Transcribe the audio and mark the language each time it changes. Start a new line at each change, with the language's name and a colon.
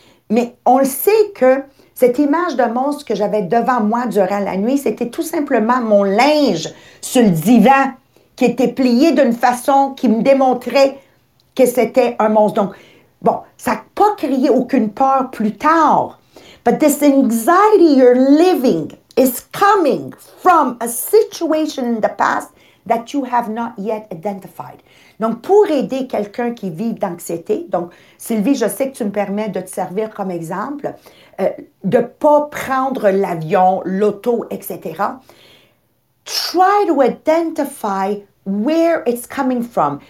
French: Mais on le sait que cette image de monstre que j'avais devant moi durant la nuit, c'était tout simplement mon linge sur le divan qui était plié d'une façon qui me démontrait que c'était un monstre. Donc, bon, ça n'a pas créé aucune peur plus tard.
English: But this anxiety you're living is coming from a situation in the past that you have not yet identified.
French: Donc, pour aider quelqu'un qui vit d'anxiété, donc, Sylvie, je sais que tu me permets de te servir comme exemple, de ne pas prendre l'avion, l'auto, etc.
English: Try to identify where it's coming from.